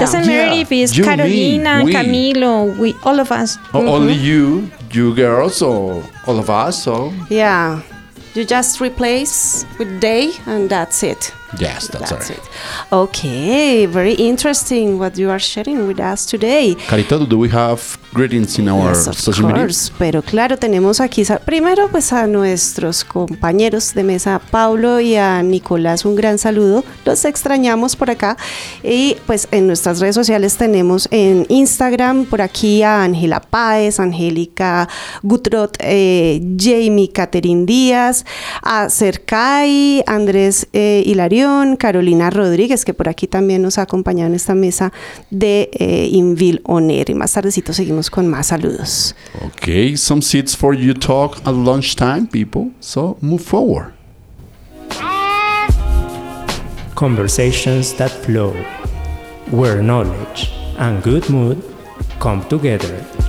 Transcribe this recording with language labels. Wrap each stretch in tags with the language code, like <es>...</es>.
<en>Doesn't matter if it's you, Carolina, me, Camilo, we all of us. Mm-hmm. Only you girls, or all of us, so. Yeah. You just replace with they, and that's it. Yes, that's right. Okay, very interesting what you are sharing with us today. Carito, do we have greetings in our social media? Yes, of course.</en> <es>Pero claro, tenemos aquí primero pues a nuestros compañeros de mesa, a Paulo y a Nicolás, un gran saludo. Los extrañamos por acá. Y pues en nuestras redes sociales tenemos en Instagram por aquí a Ángela Páez, Angélica Gutrot, Jamie Catherine Díaz, a Cercay, Andrés Hilario, Carolina Rodríguez, que por aquí también nos ha acompañado en esta mesa de Inville On Air. Y más tardecito seguimos con más saludos.</es> <en>Okay, some seats for you talk at lunchtime, people. So move forward. Conversations that flow, where knowledge and good mood come together.</en>